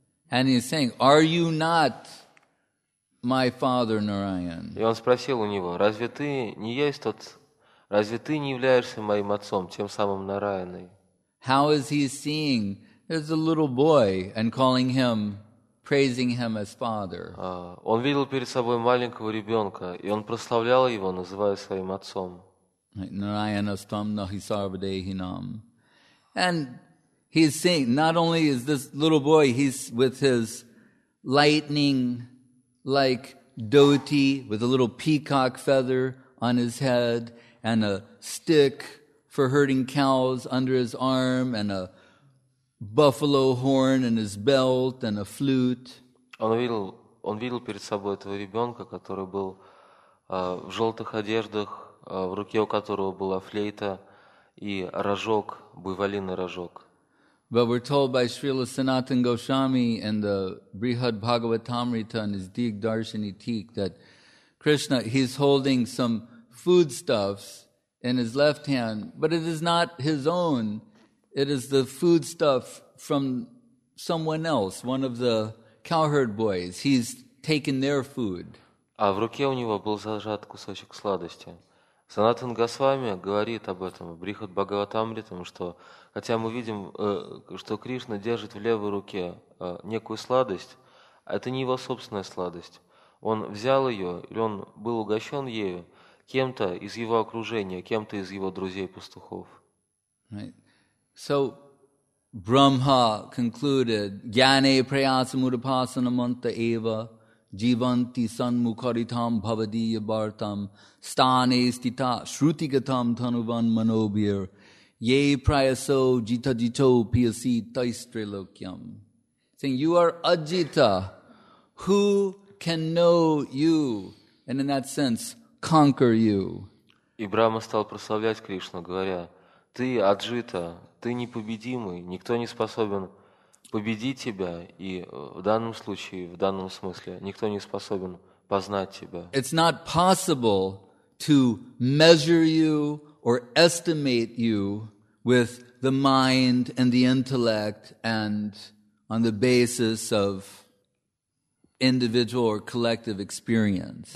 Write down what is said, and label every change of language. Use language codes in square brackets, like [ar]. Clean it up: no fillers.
[en] And he's saying, are you not my father Narayan? [ru] И он спросил у него, разве ты не есть тот, разве ты не являешься моим отцом, тем самым Нараяной? [en] How is he seeing there's a little boy and calling him, praising him as father? [ru] Он видел перед собой маленького ребенка, и он прославлял его, называя своим отцом. [sa] Narayanastam Nahisarvadehinam. [en] And he's saying, not only is this little boy, he's with his lightning-like dhoti, with a little peacock feather on his head, and a stick for herding cows under his arm, and a buffalo horn in his belt, and a flute. [ru] Он видел перед собой этого ребенка, который был в желтых одеждах, в руке у которого была флейта и рожок, буйволиный рожок. [en] But we're told by Srila Sanatana Goswami in the Brihad Bhagavatamrita and his Dig Darshani Teek that Krishna, he's holding some foodstuffs in his left hand, but it is not his own. It is the foodstuff from someone else, one of the cowherd boys. taken their food. [ru] А в руке у него был зажат кусочек сладости. Санатан Госвами говорит об этом в Брихат Бхагаватамритам, что хотя мы видим, что Кришна держит в левой руке некую сладость, это не его собственная сладость. Он взял ее, или он был угощен ею кем-то из его окружения, кем-то из его друзей-пастухов. [en] Right. So, Brahma concluded, [sa] Gyane prayasam udapasana manta eva jivanti sanmukaritam bhavadiya bartam stane stita shrutigatam tanuvan manobir ye prayaso jita jito piyasi taistrilokyam. [en] Saying, you are ajita, who can know you? And in that sense, conquer you. [ru] И Брахма стал прославлять Кришну, говоря, ты аджита, ты непобедимый, никто не способен победить тебя, и в данном случае, в данном смысле, никто не способен познать тебя. [en] It's not possible to measure you or estimate you with the mind and the intellect and on the basis of individual or collective experience.